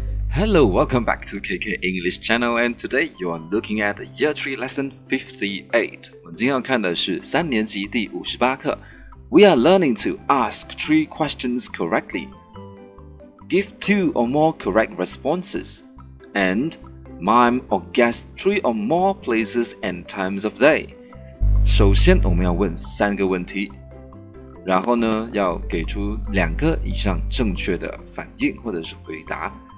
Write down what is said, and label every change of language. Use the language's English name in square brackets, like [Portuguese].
[English] Hello, welcome back to KK English Channel, and today you are looking at Year 3 Lesson 58. [Chinese] 我们今天要看的是三年级第五十八课。 [English] We are learning to ask three questions correctly. Give two or more correct responses. And mime or guess three or more places and times of day. [Chinese] 首先我们要问三个问题，然后呢要给出两个以上正确的反应或者是回答。